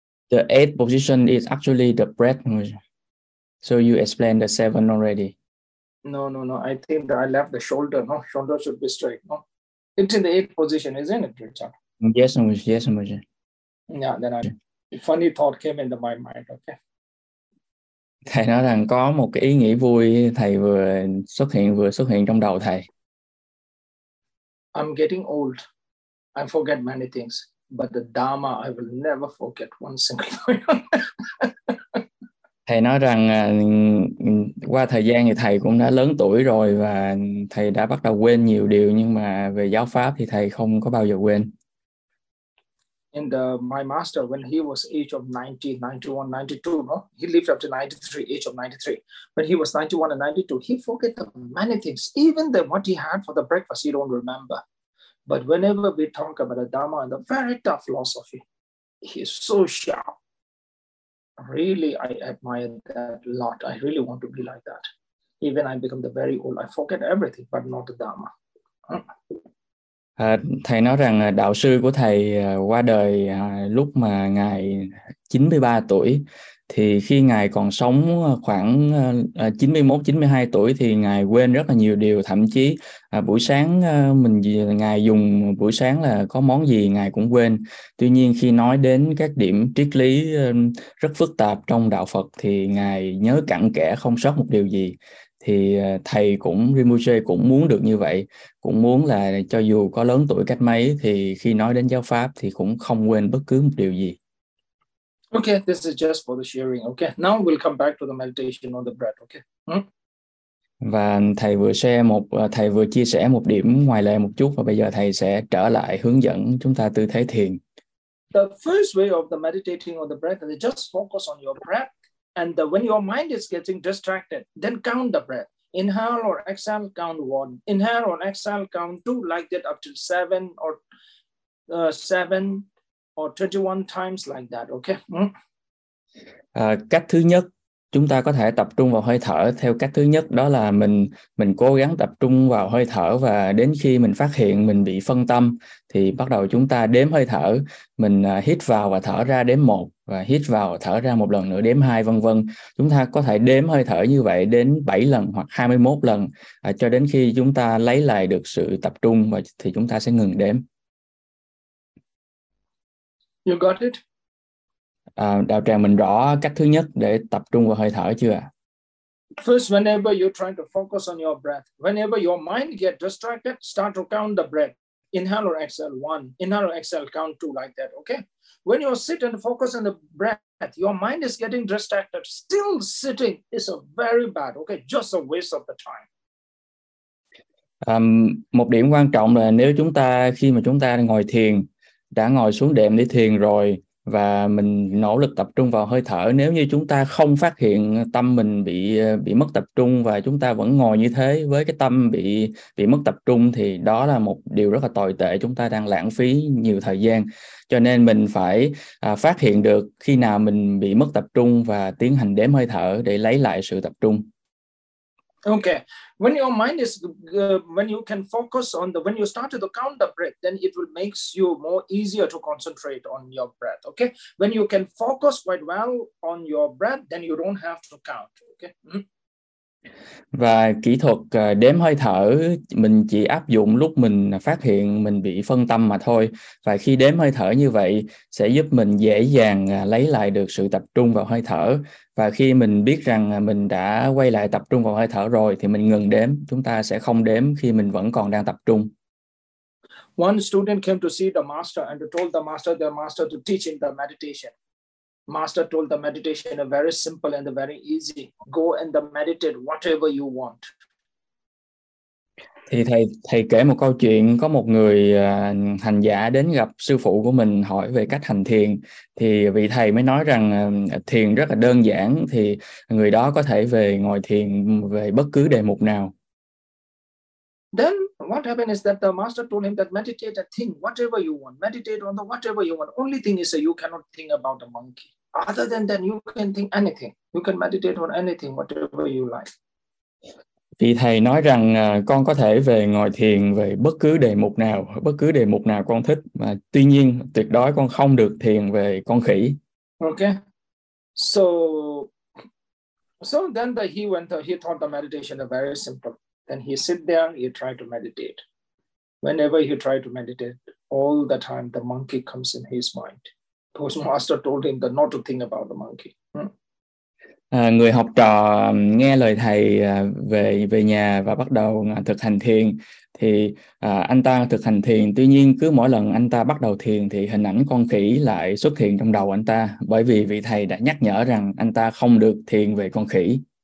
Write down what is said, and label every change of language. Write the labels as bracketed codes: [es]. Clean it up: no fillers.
[en] The eight position is actually the breath. So you explained the seven already. No. I think that I left the shoulder. No, shoulder should be straight. No, it's in the eighth position, isn't it, Richard? Yes, Amuji. Yes, Amuji. Yeah. Then a funny thought came into my mind. Okay. [vi] Thầy nói rằng có một cái ý nghĩ vui thầy vừa xuất hiện trong đầu thầy. [en] I'm getting old. I forget many things. But the Dharma, I will never forget one single point. [vi] Thầy nói rằng qua thời gian thì thầy cũng đã lớn tuổi rồi và thầy đã bắt đầu quên nhiều điều, nhưng mà về giáo pháp thì thầy không có bao giờ quên. [en] And my master, when he was age of 90, 91, 92, no, he lived up to 93, age of 93. When he was 91 and 92, he forget the many things, even the what he had for the breakfast, he don't remember. But whenever we talk about the Dharma and the very tough philosophy, he is so sharp. Really, I admire that a lot. I really want to be like that. Even I become the very old, I forget everything, but not the Dharma. [vi] Thầy nói rằng đạo sư của thầy qua đời lúc mà ngài 93 tuổi, thì khi ngài còn sống khoảng 91, 92 tuổi thì ngài quên rất là nhiều điều, thậm chí buổi sáng mình ngài dùng buổi sáng là có món gì ngài cũng quên. Tuy nhiên khi nói đến các điểm triết lý rất phức tạp trong đạo Phật thì ngài nhớ cặn kẽ, không sót một điều gì. Thì thầy cũng, Rinpoche cũng muốn được như vậy, cũng muốn là cho dù có lớn tuổi cách mấy thì khi nói đến giáo pháp thì cũng không quên bất cứ một điều gì. [en] Okay, this is just for the sharing. Okay, now we'll come back to the meditation on the breath. Okay. [vi] Và thầy vừa share một, thầy vừa chia sẻ một điểm ngoài lề một chút, và bây giờ thầy sẽ trở lại hướng dẫn chúng ta tư thế thiền. [en] The first way of the meditating on the breath is just focus on your breath. And the, when your mind is getting distracted, then count the breath. Inhale or exhale, count one. Inhale or exhale, count two, like that up to seven or 21 times like that, okay? [vi] Cách thứ nhất, chúng ta có thể tập trung vào hơi thở theo cách thứ nhất, đó là mình cố gắng tập trung vào hơi thở, và đến khi mình phát hiện mình bị phân tâm thì bắt đầu chúng ta đếm hơi thở, mình hít vào và thở ra đếm một, và hít vào thở ra một lần nữa đếm hai, vân vân. Chúng ta có thể đếm hơi thở như vậy đến 7 lần hoặc 21 lần cho đến khi chúng ta lấy lại được sự tập trung, và thì chúng ta sẽ ngừng đếm. [en] You got it? [vi] Đạo tràng mình rõ cách thứ nhất để tập trung vào hơi thở chưa? [en] First, whenever you're trying to focus on your breath, whenever your mind get distracted, start to count the breath. Inhale or exhale, one. Inhale or exhale, count two, like that, okay? When you sit and focus on the breath, your mind is getting distracted. Still sitting is a very bad, okay? Just a waste of the time. [vi] Một điểm quan trọng là nếu chúng ta, khi mà chúng ta ngồi thiền, đã ngồi xuống đệm để thiền rồi, và mình nỗ lực tập trung vào hơi thở, nếu như chúng ta không phát hiện tâm mình bị mất tập trung và chúng ta vẫn ngồi như thế với cái tâm bị mất tập trung, thì đó là một điều rất là tồi tệ. Chúng ta đang lãng phí nhiều thời gian, cho nên mình phải phát hiện được khi nào mình bị mất tập trung và tiến hành đếm hơi thở để lấy lại sự tập trung. [en] Okay, when your mind is when you can focus on the, when you start to count the breath, then it will makes you more easier to concentrate on your breath. Okay, when you can focus quite well on your breath, then you don't have to count. Okay. [vi] Và kỹ thuật đếm hơi thở mình chỉ áp dụng lúc mình phát hiện mình bị phân tâm mà thôi, và khi đếm hơi thở như vậy sẽ giúp mình dễ dàng lấy lại được sự tập trung vào hơi thở, và khi mình biết rằng mình đã quay lại tập trung vào hơi thở rồi thì mình ngừng đếm, chúng ta sẽ không đếm khi mình vẫn còn đang tập trung. [en] One student came to see the master and told the master to teach him the meditation. Master told the meditation a very simple and a very easy. Go and the meditate whatever you want. [vi] Thì thầy kể một câu chuyện, có một người hành giả đến gặp sư phụ của mình hỏi về cách hành thiền, thì vị thầy mới nói rằng thiền rất là đơn giản, thì người đó có thể về ngồi thiền về bất cứ đề mục nào. [en] Then what happened is that the master told him that meditate and think whatever you want. Meditate on the whatever you want. Only thing is that you cannot think about a monkey. Other than that, you can think anything. You can meditate on anything, whatever you like. [vi] Vì thầy nói rằng con có thể về ngồi thiền về bất cứ đề mục nào con thích. Mà tuy nhiên, tuyệt đối con không được thiền về con khỉ. [en] Okay. So then he taught the meditation a very simple. Then he sit there, he try to meditate. Whenever he try to meditate, all the time the monkey comes in his mind. Postmaster told him that not to think about the monkey. [vi] Người học trò nghe lời thầy về về nhà và bắt đầu thực hành thiền. Thì anh ta thực hành thiền, tuy nhiên cứ mỗi lần anh ta bắt đầu thiền thì hình ảnh con khỉ lại xuất hiện trong đầu anh ta, bởi vì vị thầy đã nhắc nhở rằng anh ta không được thiền về con khỉ.